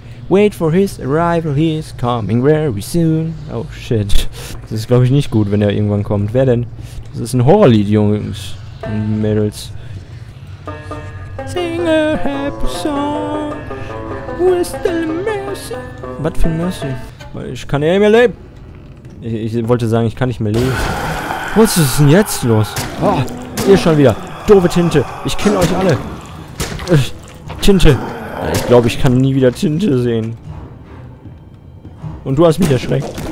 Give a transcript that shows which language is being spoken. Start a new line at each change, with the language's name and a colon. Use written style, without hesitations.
English: Wait for his arrival, he's coming very soon. Oh shit.
German: Das ist, glaube ich, nicht gut, wenn er irgendwann kommt. Wer denn? Das ist ein Horrorlied, Jungs und Mädels.
English: Sing a happy song, whistle a mercy.
German: Was für ein Mercy? Ich kann ja nicht mehr leben. Ich wollte sagen, ich kann nicht mehr leben. Was ist denn jetzt los? Oh, ihr schon wieder. Doofe Tinte. Ich kenne euch alle. Tinte. Ich glaube, ich kann nie wieder Tinte sehen. Und du hast mich erschreckt.